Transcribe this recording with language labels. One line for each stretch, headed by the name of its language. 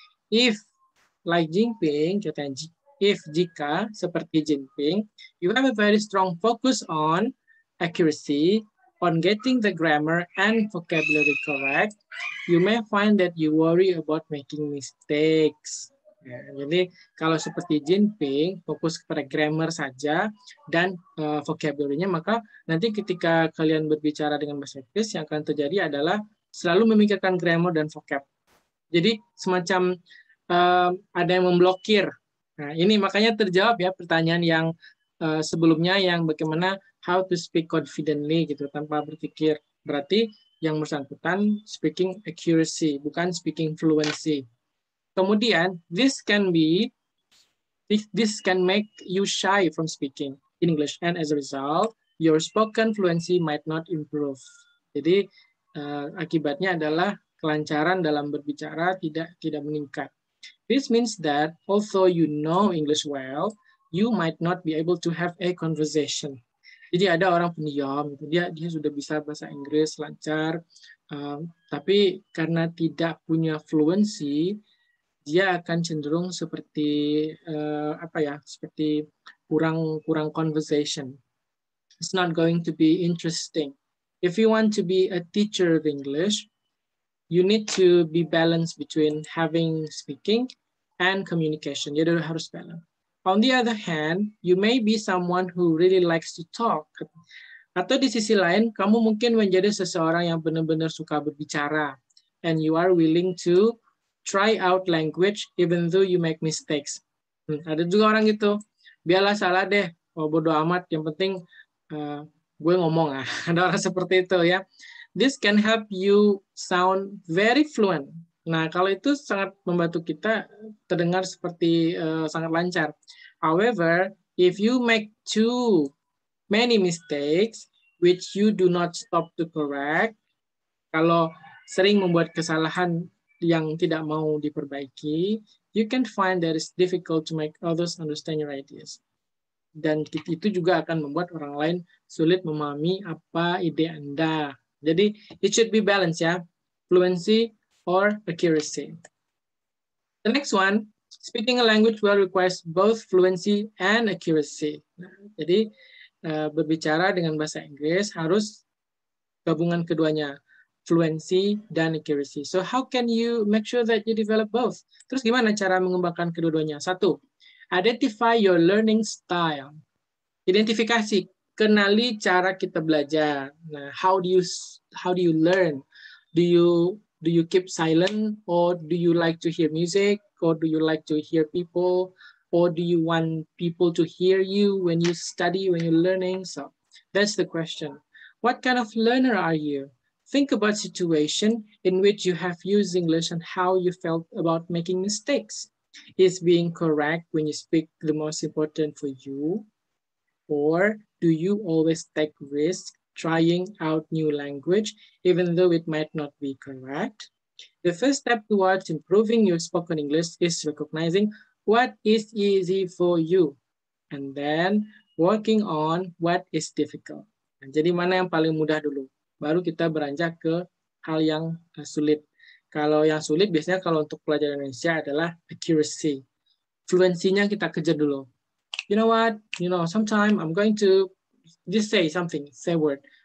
English: If, like Jinping,
Indonesian: jika seperti Jinping,
English: you have a very strong focus on accuracy, on getting the grammar and vocabulary correct, you may find that you worry about making mistakes.
Indonesian: Ya, jadi kalau seperti Jinping fokus kepada grammar saja dan vocabulary-nya, maka nanti ketika kalian berbicara dengan bahasa Inggris yang akan terjadi adalah selalu memikirkan grammar dan vocab. Jadi semacam ada yang memblokir. Nah, ini makanya terjawab ya pertanyaan yang sebelumnya yang bagaimana
English: how to speak confidently
Indonesian: gitu tanpa berpikir. Berarti yang bersangkutan speaking accuracy bukan speaking fluency.
English: Kemudian this can make you shy from speaking in English and as a result your spoken fluency might not improve.
Indonesian: Jadi akibatnya adalah kelancaran dalam berbicara tidak meningkat.
English: This means that although you know English well, you might not be able to have a conversation.
Indonesian: Jadi ada orang pendiam, dia sudah bisa bahasa Inggris lancar, tapi karena tidak punya fluency, dia akan cenderung seperti seperti kurang conversation.
English: It's not going to be interesting. If you want to be a teacher of English, you need to be balanced between having speaking and communication.
Indonesian: Jadi harus balance.
English: On the other hand, you may be someone who really likes to talk.
Indonesian: Atau di sisi lain, kamu mungkin menjadi seseorang yang benar-benar suka berbicara.
English: And you are willing to try out language even though you make mistakes.
Indonesian: Ada juga orang gitu. Biarlah salah deh. Oh, bodo amat. Yang penting gue ngomong. Ada orang seperti itu ya.
English: This can help you sound very fluent.
Indonesian: Nah, kalau itu sangat membantu kita terdengar seperti sangat lancar.
English: However, if you make too many mistakes, which you do not stop to correct,
Indonesian: kalau sering membuat kesalahan yang tidak mau diperbaiki,
English: you can find that it's difficult to make others understand your ideas.
Indonesian: Dan itu juga akan membuat orang lain sulit memahami apa ide Anda.
English: Jadi, it should be balanced, ya. Fluency or accuracy. The next one, speaking a language well requires both fluency and accuracy.
Indonesian: Jadi berbicara dengan bahasa Inggris harus gabungan keduanya, fluency dan accuracy.
English: So how can you make sure that you develop both?
Indonesian: Terus gimana cara mengembangkan kedua-duanya? Satu,
English: identify your learning style.
Indonesian: Identifikasi, kenali cara kita belajar.
English: Nah, how do you learn? Do you keep silent or do you like to hear music or do you like to hear people or do you want people to hear you when you study, when you're learning? So that's the question. What kind of learner are you? Think about situation in which you have used English and how you felt about making mistakes. Is being correct when you speak the most important for you? Or do you always take risks trying out new language, even though it might not be correct? The first step towards improving your spoken English is recognizing what is easy for you, and then working on what is difficult.
Indonesian: Jadi mana yang paling mudah dulu? Baru kita beranjak ke hal yang sulit. Kalau yang sulit, biasanya kalau untuk pelajaran Indonesia adalah accuracy. Fluensinya kita kejar dulu.
English: You know what? You know, sometime I'm going to just say something, say word.